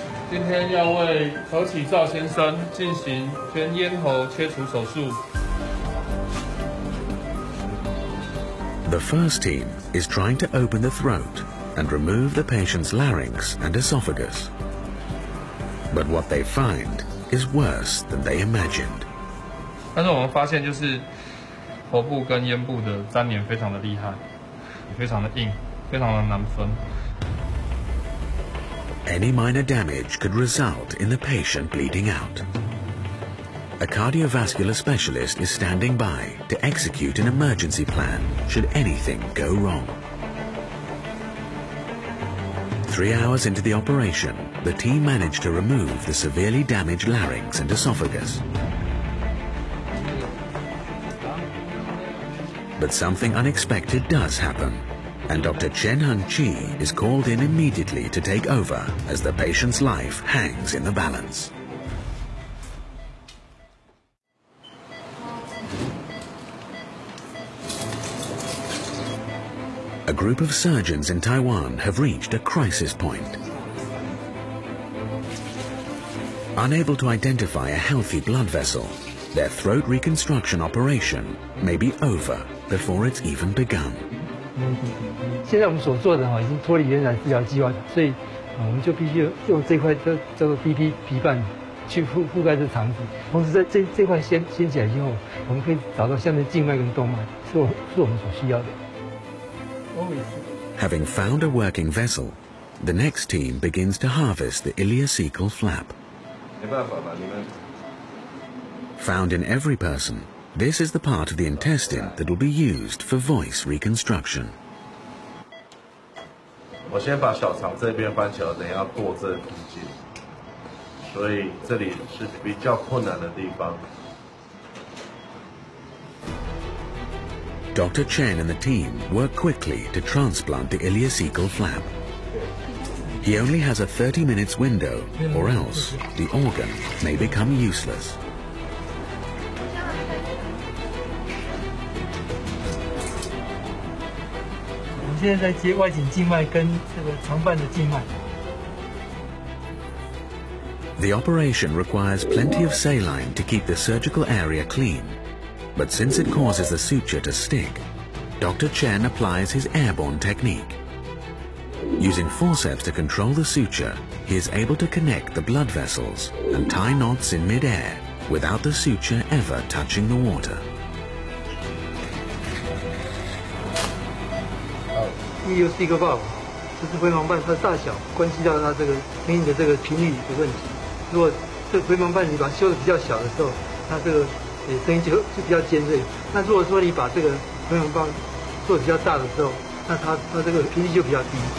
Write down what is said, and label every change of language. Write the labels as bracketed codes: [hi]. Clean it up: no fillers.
[zh] 天要为何启照先生进行全咽喉切除手术。 [en] The first team is trying to open the throat and remove the patient's larynx and esophagus. But what they find is worse than they imagined. [zh] 但是我们发现就是喉部跟咽部的粘连非常的厉害，非常的硬，非常的难分。 [en] Any minor damage could result in the patient bleeding out. A cardiovascular specialist is standing by to execute an emergency plan should anything go wrong. 3 hours into the operation, the team managed to remove the severely damaged larynx and esophagus. But something unexpected does happen. And Dr. Chen Hung-Chi is called in immediately to take over as the patient's life hangs in the balance. A group of surgeons in Taiwan have reached a crisis point. Unable to identify a healthy blood vessel, their throat reconstruction operation may be over before it's even begun. [zh] 现在我们所做的已经脱离原来治疗计划，所以我们就必须用这块叫做 BP 皮瓣去覆盖这肠子，同时在这块掀起来以后，我们可以找到下面静脉跟动脉，是我们所需要的。 [en] Having found a working vessel, the next team begins to harvest the ileocecal flap. [zh] 没办法吧，你们。 [en] Found in every person. This is the part of the intestine that will be used for voice reconstruction. [zh] 我先把小肠这边翻起来，等下过这附近，所以这里是比较困难的地方。 [en] Dr. Chen and the team work quickly to transplant the ileocecal flap. He only has a 30 minutes window, or else the organ may become useless. [zh] 我现在在接外颈静脉跟这个肠瓣的静脉。 [en] The operation requires plenty of saline to keep the surgical area clean, but since it causes the suture to stick, Dr. Chen applies his airborne technique. Using forceps to control the suture, he is able to connect the blood vessels and tie knots in mid-air without the suture ever touching the water. [zh] 又是一个 valve， 就是回盲瓣它的大小关系到它这个给你的这个频率的问题。如果这回盲瓣你把它修得比较小的时候，它这个声音就比较尖锐。那如果说你把这个回盲瓣做得比较大的时候，那它这个频率就比较低。